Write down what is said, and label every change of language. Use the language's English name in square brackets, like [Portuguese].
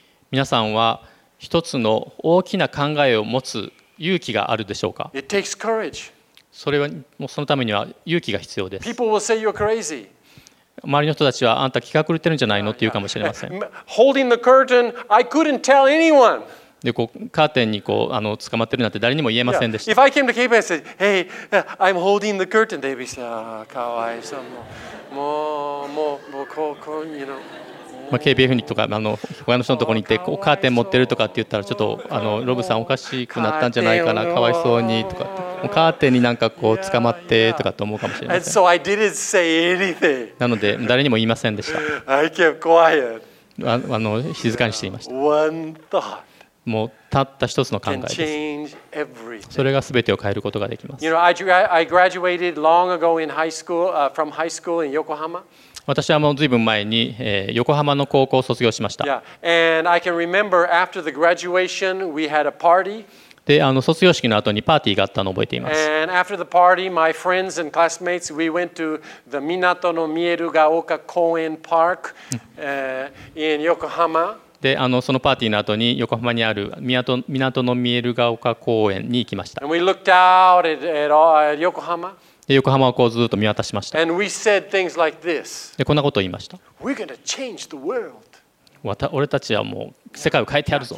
[Japanese] 皆さんは一つの大きな考えを持つ勇気があるでしょうか? [English] It takes courage. [Japanese] それはもうそのためには勇気が必要です。 [English] People will say you're crazy. [Japanese] 周りの人たちはあんた気が狂ってるんじゃないのって言うかもしれません。 [English] Holding the curtain, I couldn't tell anyone. [Japanese] でこうカーテンにこう捕まってるなんて誰にも言えませんでした。 [English] If I came to KPI and said, Hey, I'm holding the curtain, they'd be like, ah, [Japanese] かわいそう。 KBF にとか他の人のところに行ってこうカーテン持ってるとかって言ったらちょっとロブさんおかしくなったんじゃないかなかわいそうにとかってもうカーテンになんかこう捕まってとかと思うかもしれません。 [English] And so I didn't say anything. [Japanese] なので誰にも言いませんでした。 [English] I kept quiet. [Japanese] 静かにしていました。 [English] One thought. [Japanese] もうたった一つの考えです。 [English] Can change everything. [Japanese] それが全てを変えることができます。 [English] You know, I graduated long ago in high school, from high school in Yokohama. [Japanese] 私はもう随分前に横浜の高校を卒業しました。 [English] Yeah. And I [Japanese] で卒業式の後にパーティーがあったのを覚えています。 [English] And after the party, my friends and classmates, we went to the Minato no Mieru ga Oka Koen Park, in Yokohama. [Japanese] でそのパーティーの後に横浜にある港の見える丘公園に行きました。 [English] And we looked out at Yokohama. [Japanese] で横浜をこうずっと見渡しました。 [English] And we said things like this. [Japanese] でこんなことを言いました。 [English] We're gonna change the world. [Japanese] 俺たちはもう世界を変えてやるぞ。